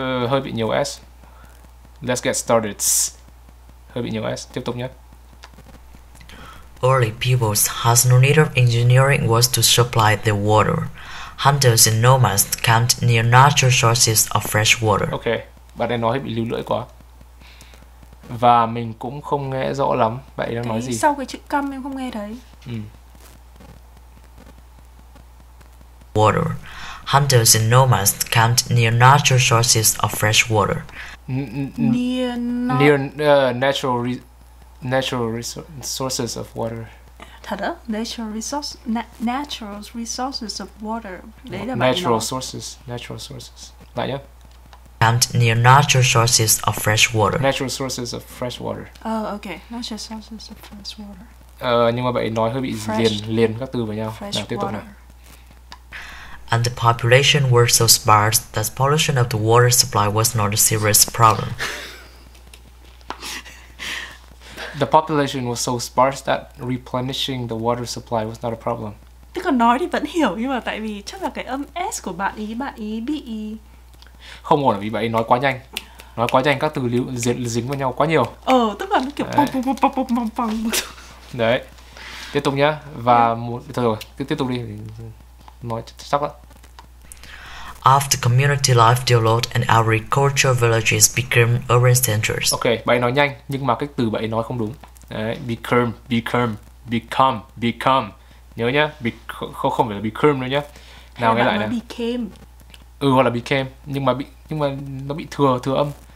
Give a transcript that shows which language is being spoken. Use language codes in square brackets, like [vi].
[vi] Hơi bị nhiều S. [en] Let's get started. [vi] Hơi bị nhiều S. Tiếp tục nhé. [en] Early peoples has no need of engineering was to supply the water. Hunters and nomads camped near natural sources of fresh water. [vi] Ok, bạn ấy nói bị lưu lưỡi quá. Và mình cũng không nghe rõ lắm bạn ấy đang nói gì. Sau cái chữ căm em không nghe thấy. [en] Water. Hunters and nomads camped near natural sources of fresh water. Natural resources of water. [vi] Thật á? [en] Natural resources of water. [vi] Đấy là [en] natural sources. [vi] Lại nhá. [en] Camped near natural sources of fresh water. Natural sources of fresh water. Oh, okay. Natural sources of fresh water. [vi] Nhưng mà bạn nói hơi bị [en] fresh, [vi] liền các từ với nhau. Nào, tiếp tục [en] water. [vi] Nào. [en] and the population were so sparse that pollution of the water supply was not a serious problem. The population was so sparse that replenishing the water supply was not a problem. [vi] Tức là nói thì vẫn hiểu, nhưng mà tại vì chắc là cái âm S của bạn ý bị ý. Không ổn là vì bạn ý nói quá nhanh. Nói quá nhanh, các từ dính vào nhau quá nhiều. Ờ, tức là nó kiểu pom pom pom pom pom pom. Đấy, tiếp tục nhá. Và một, thôi rồi, cứ tiếp tục đi. Nói sắp lắm. [en] After community life developed and agricultural villages became urban centers. [vi] Ok, bạn nói nhanh, nhưng mà cái từ bạn nói không đúng. Đấy, become, become, become, become. Nhớ nhá, không phải là become nữa nhá. Nào nghe lại nè. [en] Became. [vi] Ừ, hoặc là became, nhưng mà nó bị thừa âm.